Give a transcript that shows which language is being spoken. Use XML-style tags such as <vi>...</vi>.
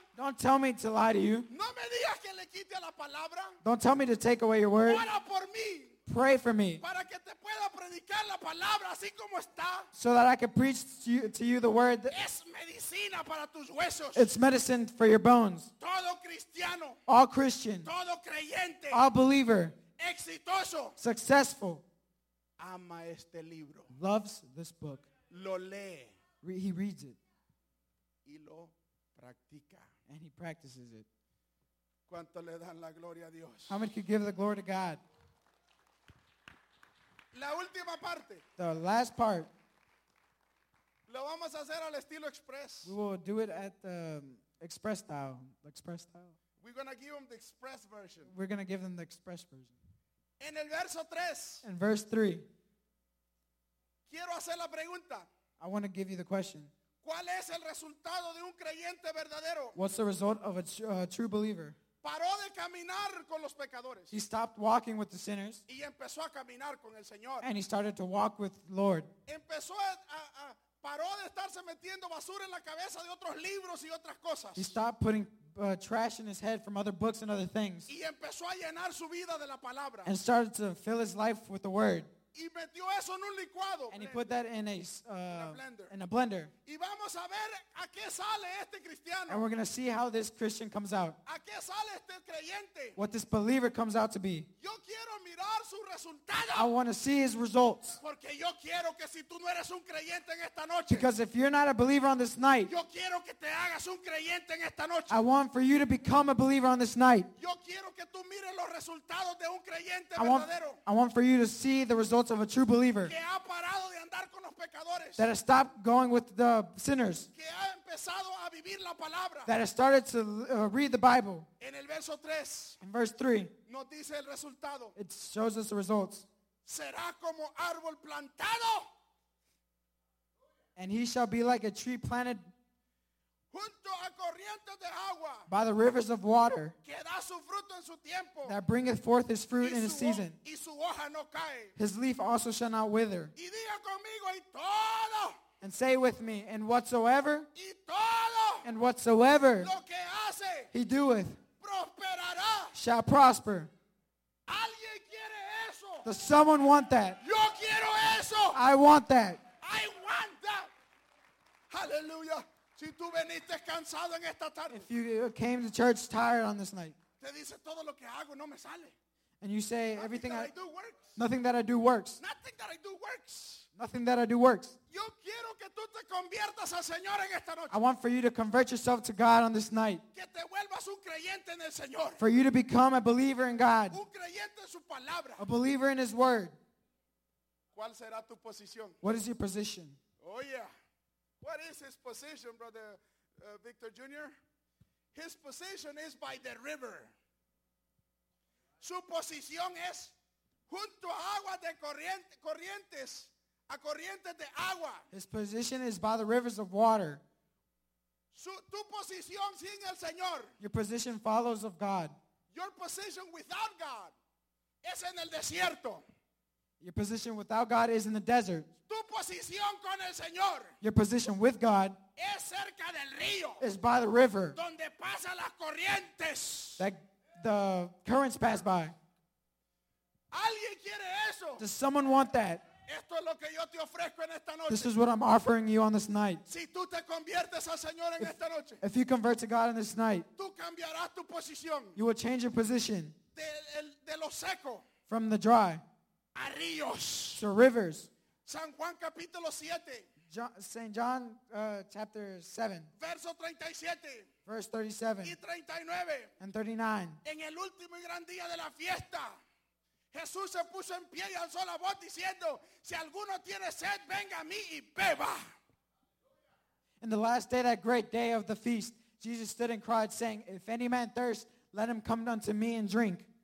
<en>Don't tell me to lie to you.</en> <es>No me digas que le quite la palabra.</es> <en>Don't tell me to take away your word.</en> <es>Ora por mí.</es> <en>Pray for me.</en> <es>Para que te pueda predicar la palabra así como está.</es> <en>So that I can preach to you the word.</en> <es>Es medicina para tus huesos.</es> <en>It's medicine for your bones.</en> <es>Todo cristiano.</es> <en>All Christian.</en> <es>Todo creyente.</es> <en>All believer.</en> <es>Exitoso.</es> <en>Successful.</en> <es>Ama este libro.</es> <en>Loves this book.</en> <es>Lo lee.</es> <en>He reads it.</en> <es>Y lo practica.</es> <en>And he practices it.</en> <es>¿Cuánto le dan la gloria a Dios?</es> <en>How many can give the glory to God?</en> <es>La última parte.</es> <en>The last part.</en> <es>Lo vamos a hacer al estilo express.</es> <en>We will do it at the express style. The express style. We're going to give them the express version. We're going to give them the express version.</en> <es>En el verso 3.</es> <en>In verse 3.</en> <es>Quiero hacer la pregunta.</es> <en>I want to give you the question.</en> <es>¿Cuál es el resultado de un creyente verdadero?</es> <en>What's the result of a true believer?</en> <es>Paró de caminar con los pecadores.</es> <en>He stopped walking with the sinners.</en> <es>Y empezó a caminar con el Señor.</es> <en>And he started to walk with the Lord.</en> <es>Empezó paró de estarse metiendo basura en la cabeza de otros libros y otras cosas.</es> <en>He stopped putting trash in his head from other books and other things.</en> <es>Y empezó a llenar su vida de la palabra.</es> <en>And started to fill his life with the word.</en> <es>y metió eso en un licuado.</es> <en>And he put that in a blender.</en> <es>Y vamos a ver a qué sale este cristiano.</es> <en>And we're going to see how this Christian comes out.</en> <es>A qué sale este creyente.</es> <en>What this believer comes out to be.</en> <es>Yo quiero mirar su resultado.</es> <en>I want to see his results.</en> <es>Porque yo quiero que si tú no eres un creyente en esta noche.</es> <en>Because if you're not a believer on this night.</en> <es>Yo quiero que te hagas un creyente en esta noche.</es> <en>I want for you to become a believer on this night.</en> <es>Yo quiero que tú mires los resultados de un creyente verdadero.</es> <en>I want for you to see the results of a true believer</en> <es>que ha parado de andar con los pecadores.</es> <en>That has stopped going with the sinners.</en> <es>Que ha empezado a vivir la palabra.</es> <en>That has started to read the Bible.</en> <es>En el verso 3,</es> <en>in verse 3,</en> <es>nos dice el resultado.</es> <en>It shows us the results.</en> <es>Será como árbol plantado.</es> <en>And he shall be like a tree planted</en> <es>junto a corrientes de agua,</es> <en>by the rivers of water,</en> <es>que da su fruto en su tiempo,</es> <en>that bringeth forth his fruit in his season,</en> <es>y su hoja no cae,</es> <en>his leaf also shall not wither.</en> <es>Y diga conmigo, y todo,</es> <en>and say with me, and whatsoever,</en> <es>y todo,</es> <en>and whatsoever</en> <es>lo que hace,</es> <en>he doeth,</en> <es>prosperará,</es> <en>shall prosper.</en> <es>¿Alguien quiere eso?</es> <en>Does someone want that?</en> <es>Yo quiero eso.</es> <en>I want that. I want that. Hallelujah.</en> <es>Si tú veniste cansado en esta tarde.</es> <en>If you came to church tired on this night.</en> <es>Te dice todo lo que hago no me sale.</es> <en>And you say everything that I do works. Nothing that I do works. Nothing that I do works. Nothing that I do works.</en> <es>Yo quiero que tú te conviertas al Señor en esta noche.</es> <en>I want for you to convert yourself to God on this night.</en> <es>Que te vuelvas un creyente en el Señor.</es> <en>For you to become a believer in God.</en> <es>Un creyente en su palabra.</es> <en>A believer in his word.</en> <es>¿Cuál será tu posición?</es> <en>What is your position? Oh yeah. What is his position, Brother Victor Jr.? His position is by the river.</en> <es>Su posición es junto a agua de corrientes, a corrientes de agua.</es> <en>His position is by the rivers of water.</en> <es>Tu posición sin el Señor.</es> <en>Your position follows of God. Your position without God</en> <es>es en el desierto.</es> <en>Your position without God is in the desert.</en> <es>Tu posición con el Señor.</es> <en>Your position with God</en> <es>es cerca del río.</es> <en>Is by the river.</en> <es>Donde pasan las corrientes.</es> <en>That the currents pass by.</en> <es>¿Alguien quiere eso?</es> <en>Does someone want that?</en> <es>Esto es lo que yo te ofrezco en esta noche.</es> <en>This is what I'm offering you on this night.</en> <es>Si tú te conviertes al Señor en esta noche.</es> <en>If you convert to God on this night.</en> <es>Tú cambiarás tu posición.</es> <en>You will change your position.</en> <es>De lo seco.</es> <en>From the dry.</en> <es>A ríos.</es> <en>To rivers.</en> <es>San Juan capítulo 7.</es> <en>St. John chapter 7.</en> <es>Verso 37.</es> <en>Verse 37.</en> <es>Y 39.</es> <en>And 39.</en> <es>En el último y gran día de la fiesta, Jesús se puso en pie y alzó la voz diciendo, si alguno tiene sed, venga a mí y beba.</es> <en>In the last day, that great day of the feast, Jesus stood and cried, saying, if any man thirst, let him come unto me and drink.</en>